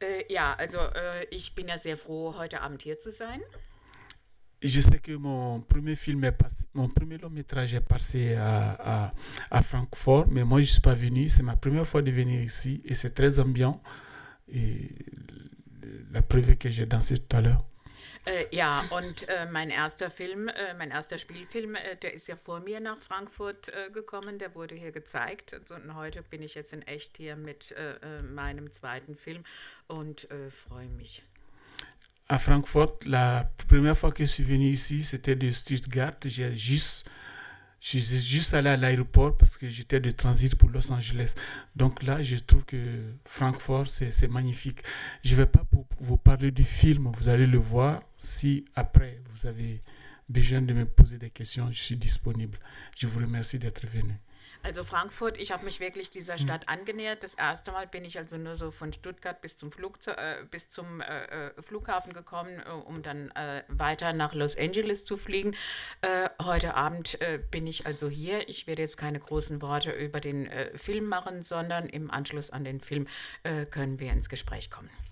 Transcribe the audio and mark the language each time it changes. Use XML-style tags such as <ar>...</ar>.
<de>Ja, also ich bin ja sehr froh, heute Abend hier zu sein.</de> <fr>Je sais que mon premier long métrage est passé à Francfort, mais moi je suis pas venu. C'est ma première fois de venir ici et c'est très ambiant. Et la preuve que j'ai dansé tout à l'heure.</fr> <de>Ja, und mein erster Spielfilm, der ist ja vor mir nach Frankfurt gekommen, der wurde hier gezeigt. Und heute bin ich jetzt in echt hier mit meinem zweiten Film und freue mich.</de> <fr>À Francfort, la première fois que je suis venu ici, c'était de Stuttgart. Je suis juste allé à l'aéroport parce que j'étais de transit pour Los Angeles. Donc là, je trouve que Francfort, c'est magnifique. Je ne vais pas vous parler du film, vous allez le voir. Si après, vous avez besoin de me poser des questions, je suis disponible. Je vous remercie d'être venu.</fr> <de>Also Frankfurt, ich habe mich wirklich dieser Stadt angenähert. Das erste Mal bin ich also nur so von Stuttgart bis zum Flughafen gekommen, um dann weiter nach Los Angeles zu fliegen. Heute Abend bin ich also hier. Ich werde jetzt keine großen Worte über den Film machen, sondern im Anschluss an den Film können wir ins Gespräch kommen.</de>